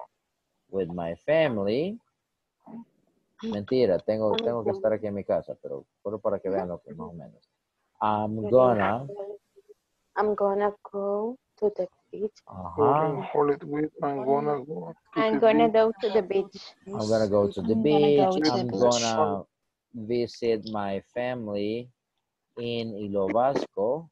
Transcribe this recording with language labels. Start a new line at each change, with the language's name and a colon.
English: I'm gonna go to the beach with my family.
Spanish: Mentira, tengo que estar aquí en mi casa, pero solo para que vean lo que más o menos.
English: I'm gonna go to the beach. I'm gonna visit my family in Ilovasco.